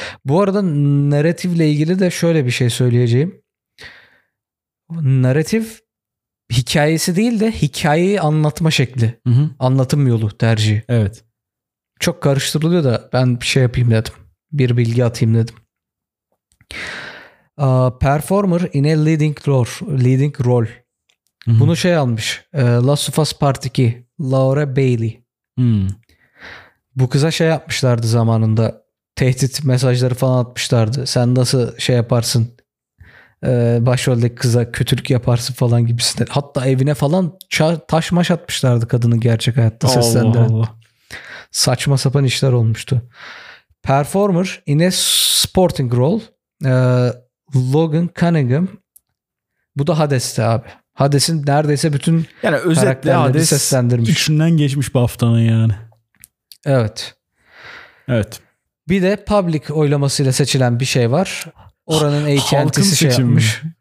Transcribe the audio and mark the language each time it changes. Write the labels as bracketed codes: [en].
[tr] Bu arada narrative'le ilgili de şöyle bir şey söyleyeceğim. Narrative hikayesi değil de hikayeyi anlatma şekli. Hı-hı. Anlatım yolu tercihi. Evet. Çok karıştırılıyor da ben bir şey yapayım dedim. Bir bilgi atayım dedim. [en] Performer in a leading role. Leading role. [tr] Hı-hı. Bunu şey almış. Last of Us Part 2. Laura Bailey. Hımm. Bu kıza şey yapmışlardı zamanında. Tehdit mesajları falan atmışlardı. Sen nasıl şey yaparsın? Başroldeki kıza kötülük yaparsın falan gibisinde. Hatta evine falan taş maş atmışlardı kadını gerçek hayatta seslendiren. Allah Allah. Saçma sapan işler olmuştu. [en] Performer in a supporting role. [tr] Logan Cunningham. Bu da Hades'ti abi. Hades'in neredeyse bütün yani özetle Hades seslendirmiş. Üçünden geçmiş baftanın yani. Evet. Evet. Bir de public oylamasıyla seçilen bir şey var. Oranın AT&T'si şey yapmış.